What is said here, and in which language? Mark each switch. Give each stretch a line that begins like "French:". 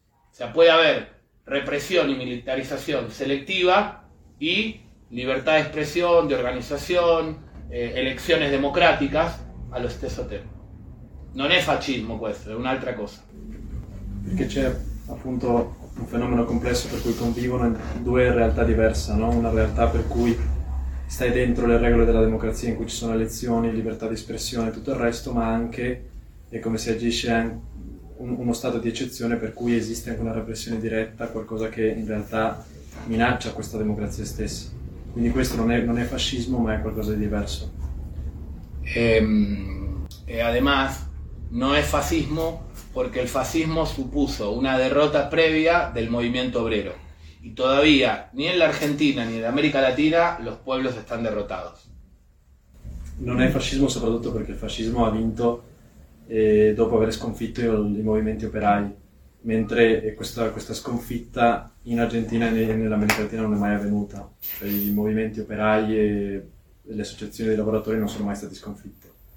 Spanish: O sea, puede haber represión y militarización selectiva y libertad de expresión, de organización, elecciones democráticas
Italian: a lo stesso tempo. Non è fascismo questo, è un'altra cosa. Perché c'è appunto un fenomeno complesso per cui convivono due realtà diverse, no? Una realtà per cui stai dentro le regole della democrazia in cui ci sono elezioni, libertà di espressione e tutto il resto, ma anche e come si agisce uno stato di eccezione per cui esiste anche una repressione diretta, qualcosa che in realtà minaccia questa democrazia stessa. Quindi questo non è fascismo, ma è qualcosa di diverso. E además non è fascismo perché il fascismo
Spanish: supuso una derrota previa del movimento obrero. E todavía ni en la Argentina ni en América Latina los pueblos están derrotados.
Italian: Non è fascismo soprattutto perché il fascismo ha vinto dopo aver sconfitto i movimenti operai, mentre questa sconfitta in Argentina e nell'America Latina non è mai avvenuta. Cioè, i movimenti operai e le associazioni dei lavoratori non sono mai stati sconfitti.